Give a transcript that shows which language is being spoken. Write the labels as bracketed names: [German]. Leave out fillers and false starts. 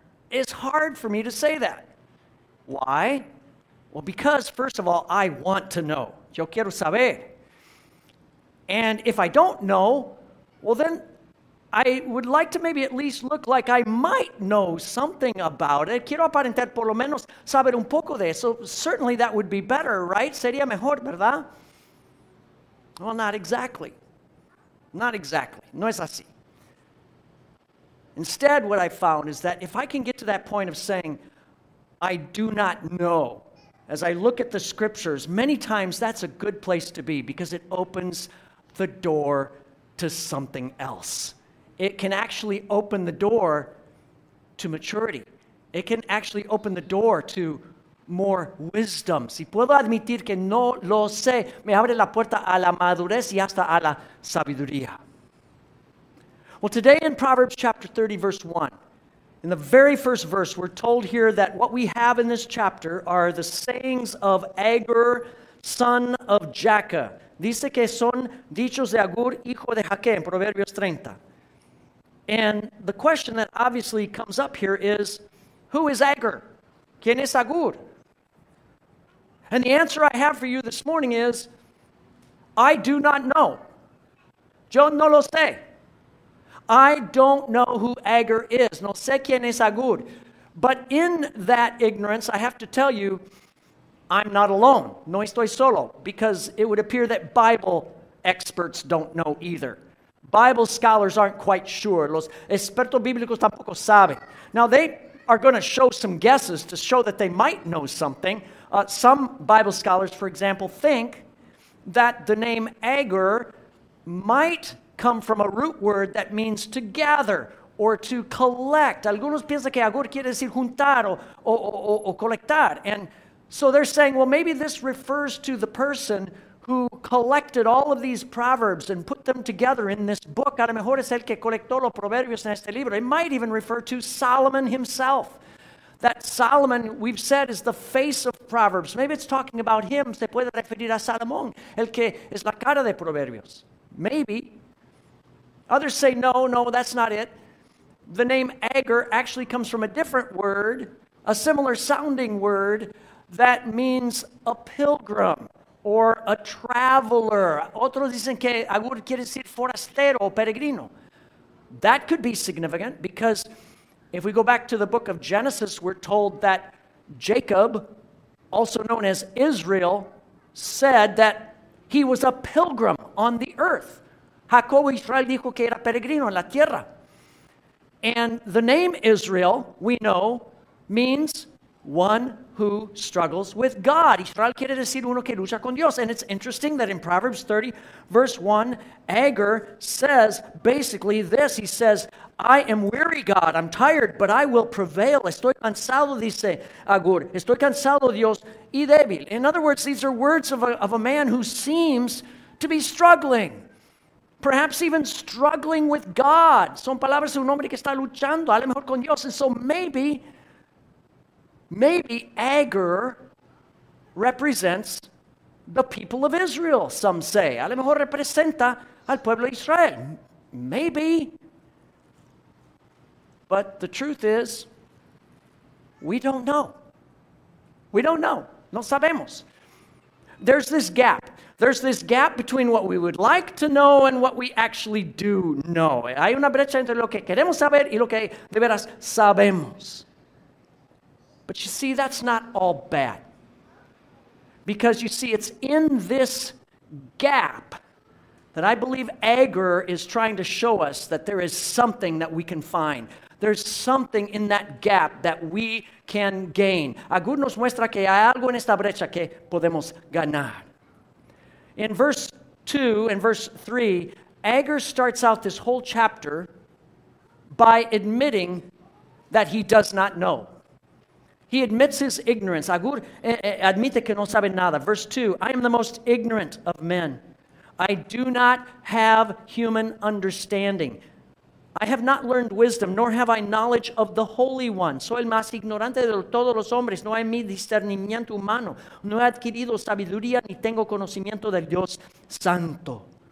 [English] It's hard for me to say that. Why? Well, because, first of all, I want to know. [Spanish] Yo quiero saber. [English] And if I don't know, well, then I would like to maybe at least look like I might know something about it. [Spanish] Quiero aparentar por lo menos saber un poco de eso. [English] Certainly that would be better, right? [Spanish] Sería mejor, ¿verdad? [English] Well, not exactly. Not exactly. [Spanish] No es así. [English] Instead, what I found is that if I can get to that point of saying, I do not know, as I look at the scriptures, many times that's a good place to be because it opens the door to something else. It can actually open the door to maturity. It can actually open the door to more wisdom. [Spanish] Si puedo admitir que no lo sé, me abre la puerta a la madurez y hasta a la sabiduría. [English] Well, today in Proverbs chapter 30, verse 1, in the very first verse, we're told here that what we have in this chapter are the sayings of Agur, son of Jakeh. [Spanish] Dice que son dichos de Agur, hijo de Jakeh, en Proverbios 30. [English] And the question that obviously comes up here is, who is Agur? [Spanish] ¿Quién es Agur? [English] And the answer I have for you this morning is, I do not know. [Spanish] Yo no lo sé. [English] I don't know who Agur is. [Spanish] No sé quién es Agur. [English] But in that ignorance, I have to tell you, I'm not alone. [Spanish] No estoy solo. [English] Because it would appear that Bible experts don't know either. Bible scholars aren't quite sure. [Spanish] Los expertos bíblicos tampoco saben. [English] Now, they are going to show some guesses to show that they might know something. Some Bible scholars, for example, think that the name Agur might come from a root word that means to gather or to collect. [Spanish] Algunos piensan que agur quiere decir juntar o colectar. [English] And so they're saying, well, maybe this refers to the person who collected all of these proverbs and put them together in this book. [Spanish] A lo mejor es el que colectó los proverbios en este libro. [English] It might even refer to Solomon himself. That Solomon, we've said, is the face of Proverbs. Maybe it's talking about him. [Spanish] Se puede referir a Salomón, el que es la cara de Proverbios. [English] Maybe. Others say, no, no, that's not it. The name Agur actually comes from a different word, a similar sounding word, that means a pilgrim or a traveler. [Spanish] Otros dicen que Agur quiere decir forastero o peregrino. [English] That could be significant because if we go back to the book of Genesis, we're told that Jacob, also known as Israel, said that he was a pilgrim on the earth. [Spanish] Jacob Israel dijo que era peregrino en la tierra. [English] And the name Israel, we know, means one who struggles with God. [Spanish] Israel quiere decir uno que lucha con Dios. [English] And it's interesting that in Proverbs 30, verse 1, Agur says basically this. He says, I am weary, God. I'm tired, but I will prevail. [Spanish] Estoy cansado, dice Agur. Estoy cansado, Dios, y débil. [English] In other words, these are words of a man who seems to be struggling, perhaps even struggling with God. [Spanish] Son palabras de un hombre que está luchando, a lo mejor con Dios. [English] And so maybe Agur represents the people of Israel, some say. [Spanish] A lo mejor representa al pueblo de Israel. [English] Maybe. But the truth is, we don't know. We don't know. [Spanish] No sabemos. [English] There's this gap. There's this gap between what we would like to know and what we actually do know. [Spanish] Hay una brecha entre lo que queremos saber y lo que de veras sabemos. [English] But you see, that's not all bad. Because you see, it's in this gap that I believe Agur is trying to show us that there is something that we can find. There's something in that gap that we can gain. [Spanish] Agur nos muestra que hay algo en esta brecha que podemos ganar. [English] In verse 2 and verse 3, Agur starts out this whole chapter by admitting that he does not know. He admits his ignorance. [Spanish] Agur admite que no sabe nada. [English] Verse 2, I am the most ignorant of men. I do not have human understanding. I have not learned wisdom, nor have I knowledge of the Holy One. [Spanish] Soy el más ignorante de todos los hombres. No hay mi discernimiento humano. No he adquirido sabiduría, ni tengo conocimiento del Dios Santo.